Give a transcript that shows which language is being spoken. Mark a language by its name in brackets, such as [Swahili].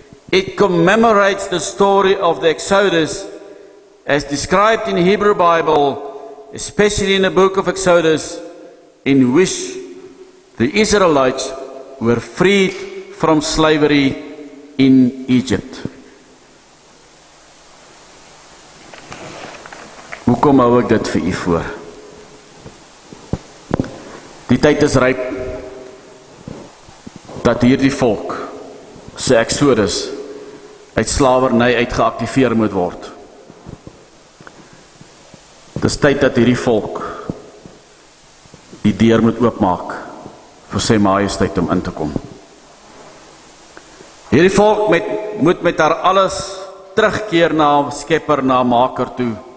[English] It commemorates the story of the Exodus as described in the Hebrew Bible, especially in the book of Exodus, in which the Israelites were freed from slavery in Egypt. [Afrikaans] Hoekom hou ek dit vir u voor? Die tyd is ryp dat hierdie volk se Exodus uit slavernij uitgeaktiveer moet word. Dit is tyd dat hierdie volk die deur moet oopmaak vir sy majesteit om in te kom. Hierdie volk moet met haar alles terugkeer na skepper, na maker toe.